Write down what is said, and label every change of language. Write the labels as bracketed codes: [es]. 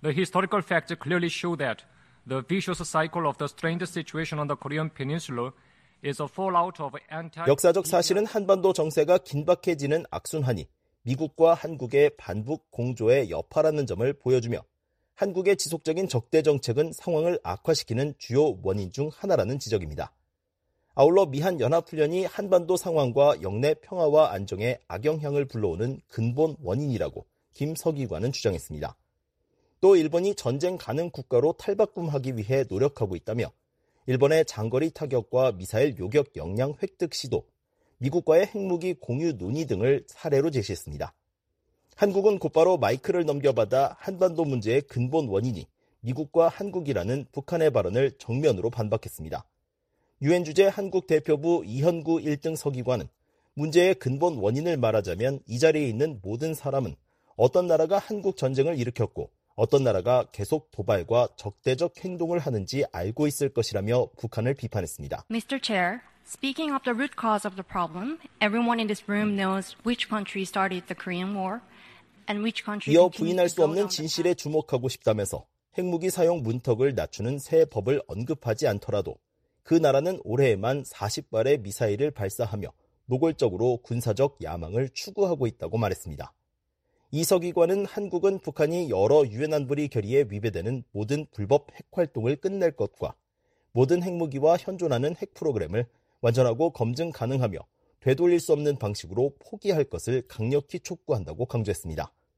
[en] The historical facts clearly show that the vicious cycle of the strained situation on the Korean Peninsula is a fallout of anti [ko] 역사적 사실은 한반도 정세가 긴박해지는 악순환이 미국과 한국의 반북 공조의 여파라는 점을 보여주며 한국의 지속적인 적대 정책은 상황을 악화시키는 주요 원인 중 하나라는 지적입니다. 아울러 미한 연합훈련이 한반도 상황과 영내 평화와 안정에 악영향을 불러오는 근본 원인이라고 김 서기관은 주장했습니다. 또 일본이 전쟁 가능 국가로 탈바꿈하기 위해 노력하고 있다며 일본의 장거리 타격과 미사일 요격 역량 획득 시도, 미국과의 핵무기 공유 논의 등을 사례로 제시했습니다. 한국은 곧바로 마이크를 넘겨받아 한반도 문제의 근본 원인이 미국과 한국이라는 북한의 발언을 정면으로 반박했습니다. 유엔 주재 한국 대표부 이현구 1등 서기관은 문제의 근본 원인을 말하자면 이 자리에 있는 모든 사람은 어떤 나라가 한국 전쟁을 일으켰고 어떤 나라가 계속 도발과 적대적 행동을 하는지 알고 있을 것이라며 북한을 비판했습니다. [en] Mr. Chair. Speaking of the root cause of the problem, everyone in this room knows which country started the Korean War and which country. [ko] 이어 부인할 수 없는 진실에 주목하고 싶다면서 핵무기 사용 문턱을 낮추는 새 법을 언급하지 않더라도 그 나라는 올해에만 40발의 미사일을 발사하며 노골적으로 군사적 야망을 추구하고 있다고 말했습니다. 이 서기관은 한국은 북한이 여러 유엔 안보리 결의에 위배되는 모든 불법 핵 활동을 끝낼 것과 모든 핵무기와 현존하는 핵 프로그램을 완전하고 검증 가능하며 되돌릴 수 없는 방식으로 포기할 것을 강력히 촉구한다고 강조했습니다.